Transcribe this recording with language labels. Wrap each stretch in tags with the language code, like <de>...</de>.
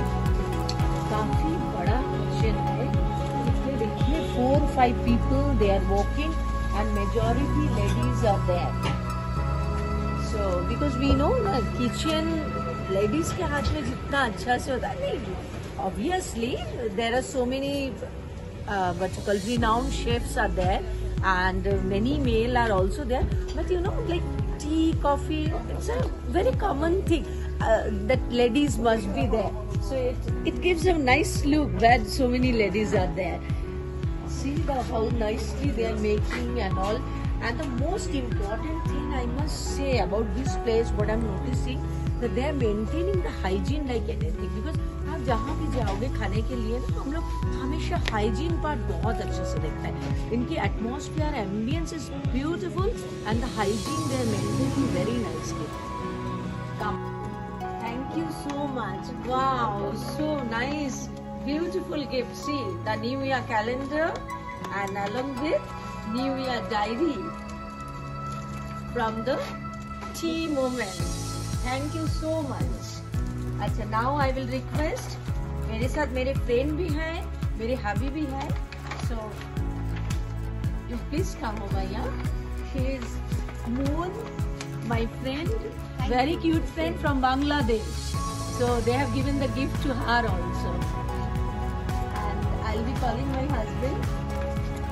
<hi>काफी बड़ा किचन है, देखिए</hi> <en>4-5 people they are walking and majority ladies are there. Because we know the kitchen,</en> <hi>ladies के हाथ में जितना अच्छा से होता है,</hi> <en>obviously there are so many what you call renowned chefs are there and many male are also there. But you know, like tea, coffee, it's a very common thing that ladies must be there. So it gives a nice look that so many ladies are there. See the how nicely they are making and all. And the most important thing I must say about this place, what I'm noticing, that they are maintaining the hygiene like anything.</en> <hi>Because आप जहाँ भी जाओगे खाने के लिए ना, हम लोग हमेशा हाइजीन पार्ट बहुत अच्छे से देखते हैं.</hi> <en>इनकी atmosphere, ambience is beautiful and the hygiene they are maintaining very nice. Thank you so much. Wow so nice, beautiful gift. See the new year calendar and along with New Year diary from the tea moment. Thank you so much. अच्छा, now I will request.</en> <hi>मेरे साथ मेरे friend भी हैं, मेरे hubby भी हैं.</hi> <en>So you please come over here. He is Moon, my friend. Thank very you. Cute friend from Bangladesh. So they have given the gift to her also. And I'll be calling my husband.</en>